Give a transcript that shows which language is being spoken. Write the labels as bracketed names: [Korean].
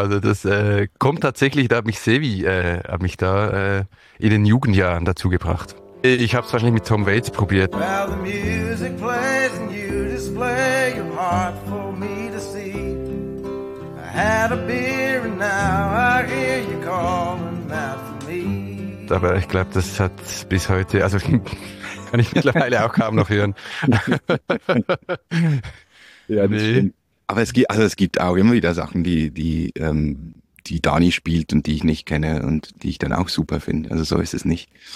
[German] Also das kommt tatsächlich, da hat mich Sevi in den Jugendjahren dazu gebracht. Ich habe es wahrscheinlich mit Tom Waits probiert. [English] Well, the music plays and you display your heart for me to see. I had a beer and now I hear you calling out for me. [German] Aber ich glaube, das hat bis heute, also kann ich mittlerweile auch kaum noch hören. Ja, das nee. Aber es gibt auch immer wieder Sachen, die Dani spielt und die ich nicht kenne und die ich dann auch super finde. Also so ist es nicht.